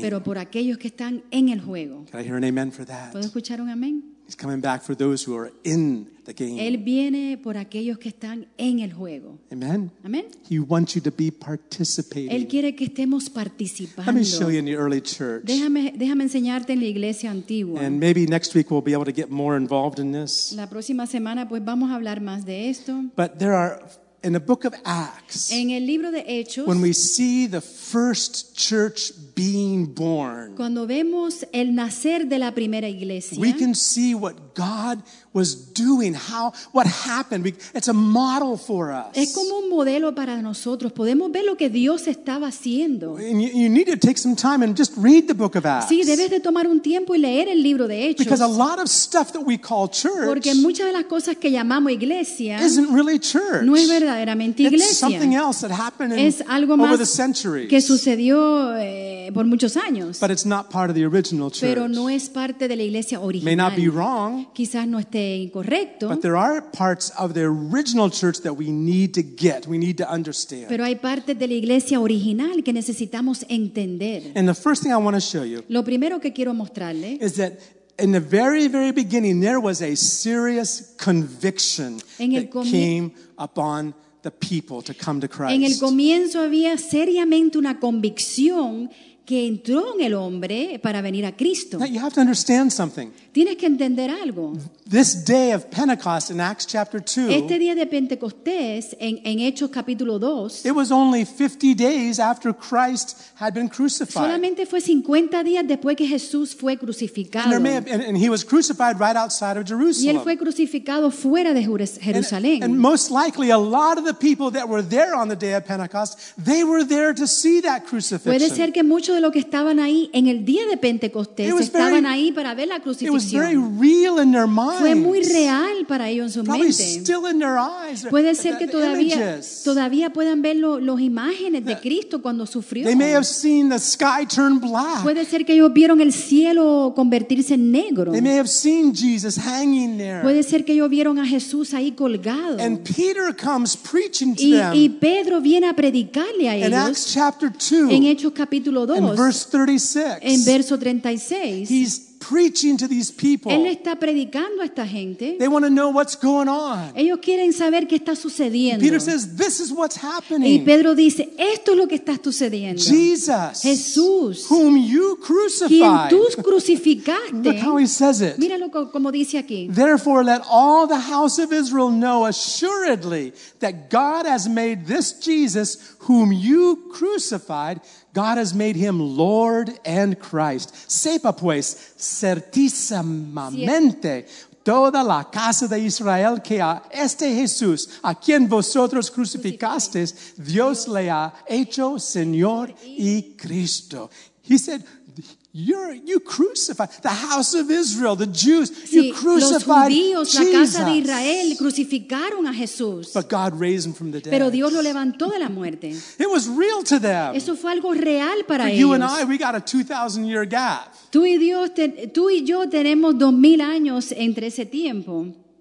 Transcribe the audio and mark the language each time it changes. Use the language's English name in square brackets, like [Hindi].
[Spanish] Pero por aquellos que están en el juego. [English] Can I hear an amen for that? [Spanish] ¿Puedo escuchar un amén? [English] He's coming back for those who are in the game. [Spanish] Él viene por aquellos que están en el juego. Amen. Amen. [English] He wants you to be participating. [Spanish] Él quiere que estemos participando. [English] Let me show you in the early church. [Spanish] Déjame enseñarte en la iglesia antigua. [English] And maybe next week we'll be able to get more involved in this. [Spanish] La próxima semana pues vamos a hablar más de esto. [English] But there are in the book of Acts. [Spanish] En el libro de Hechos. [English] When we see the first church being born. [Spanish] Cuando vemos el nacer de la primera iglesia. [English] We can see what God was doing, how what happened. It's a model for us. [Spanish] Es como un modelo para nosotros. Podemos ver lo que Dios estaba haciendo. [English] And you need to take some time and just read the book of Acts. [Spanish] Sí, debes de tomar un tiempo y leer el libro de Hechos. [English] Because a lot of stuff that we call church, [Spanish] porque muchas de las cosas que llamamos iglesia, [English] isn't really church. [Spanish] No es verdaderamente iglesia. [English] It's something else that happened [Spanish] es algo [English] over [Spanish] más [English] the centuries. [Spanish] Que sucedió por muchos años. [English] But it's not part of the original church. [Spanish] Pero no es parte de la iglesia original. [English] May not be wrong. [Spanish] Quizás no esté incorrecto. [English] But there are parts of the original church that we need to get. We need to understand. [Spanish] Pero hay partes de la iglesia original que necesitamos entender. [English] And the first thing I want to show you. [Spanish] Lo primero que quiero mostrarle [English] is that in the very, very beginning there was a serious conviction that came upon the people to come to Christ. [Spanish] En el comienzo había seriamente una convicción que entró en el hombre para venir a Cristo. [English] Now you have to understand something. [Spanish] Tienes que entender algo. [English] This day of Pentecost in Acts chapter 2. [Spanish] Este día de Pentecostés en Hechos capítulo 2. [English] It was only 50 days after Christ had been crucified. [Spanish] Solamente fue 50 días después que Jesús fue crucificado. [English] And he was crucified right outside of Jerusalem. [Spanish] Y él fue crucificado fuera de Jerusalén. [English] And most likely a lot of the people that were there on the day of Pentecost, they were there to see that crucifixion. [Spanish] Puede ser que muchos de los que estaban ahí en el día de Pentecostés estaban ahí para ver la crucifixión. [English] It was very real in their minds. [Spanish] Fue muy real para ellos en su [English] probably [Spanish] mente. [English] Still in their eyes. [Spanish] Puede ser que todavía puedan ver los imágenes de Cristo cuando sufrió. [English] They may have seen the sky turn black. [Spanish] Puede ser que ellos vieron el cielo convertirse en negro. [English] They may have seen Jesus hanging there. [Spanish] Puede ser que ellos vieron a Jesús ahí colgado. [English] And Peter comes preaching to [Spanish] them. Y Pedro viene a predicarle a ellos. [English] In Acts chapter 2. [Spanish] En Hechos capítulo 2. [English] In verse 36. [Spanish] En verso 36. [English] He's preaching to these people. [Spanish] Él está predicando a esta gente. [English] They want to know what's going on. [Spanish] Ellos quieren saber qué está sucediendo. [English] Peter says, "This is what's happening." [Spanish] Y Pedro dice, esto es lo que está sucediendo. [English] Jesus, [Spanish] Jesús, [English] whom you crucified. [Spanish] Quien tú crucificaste. [English] Look how he says it. [Spanish] Mira lo como dice aquí. [English] Therefore, let all the house of Israel know assuredly that God has made this Jesus, whom you crucified, God has made him Lord and Christ. [Spanish] Sepa pues, certísimamente, toda la casa de Israel que a este Jesús, a quien vosotros crucificasteis, Dios le ha hecho Señor y Cristo. [English] He said, You crucified the house of Israel, the Jews. You crucified [Spanish] Jesus. Los judíos, la casa de Israel, crucificaron a Jesús. [English] But God raised him from the dead. [Spanish] Pero Dios lo levantó de la muerte. [English] It was real to them. [Spanish] Eso fue algo real para ellos. [English] For you and I, we got a 2,000-year gap. [Spanish] Tú y yo tenemos 2,000 años entre ese tiempo.